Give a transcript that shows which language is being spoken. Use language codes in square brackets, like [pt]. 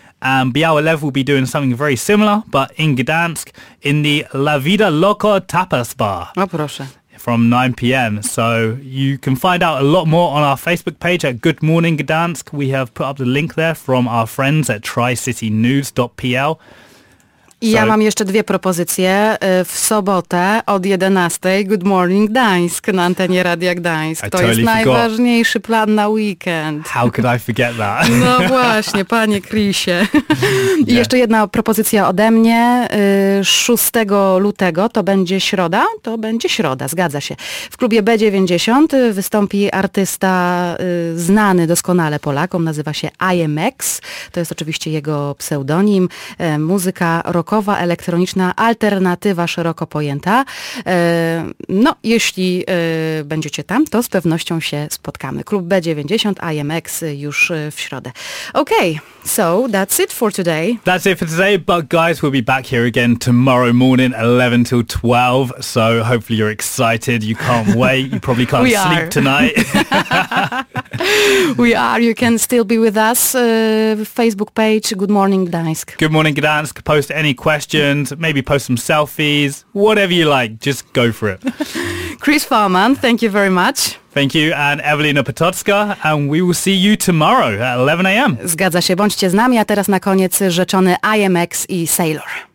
[en] And Biała Lev will be doing something very similar, but in Gdansk, in the La Vida Loco Tapas bar. [pl] No, proszę. [en] From 9 p.m. So you can find out a lot more on our Facebook page at Good Morning Gdansk. We have put up the link there from our friends at tricitynews.pl. [pl] Ja mam jeszcze dwie propozycje. W sobotę od 11 Good Morning Gdańsk na antenie Radia Gdańsk. To jest najważniejszy plan na weekend. [en] How could I forget that? [pl] No właśnie, panie Krisie. I jeszcze jedna propozycja ode mnie. 6 lutego, to będzie środa? To będzie środa, zgadza się. W klubie B90 wystąpi artysta znany doskonale Polakom, nazywa się IMX. To jest oczywiście jego pseudonim. Muzyka rockowa, elektroniczna, alternatywa szeroko pojęta. No, jeśli będziecie tam, to z pewnością się spotkamy. Klub B90, IMX już w środę. [en] Okay, so that's it for today. That's it for today, but guys, we'll be back here again tomorrow morning, 11 till 12. So hopefully you're excited. You can't wait. You probably can't sleep tonight. We are. You can still be with us. Facebook page, Good Morning Gdańsk. Good Morning Gdańsk. Post any questions, maybe post some selfies, whatever you like, just go for it. Chris Farman, thank you very much. Thank you, and Evelina Potocka, and we will see you tomorrow at 11 a.m. [pl] Zgadza się, bądźcie z nami, a teraz na koniec rzeczony IMX i Sailor.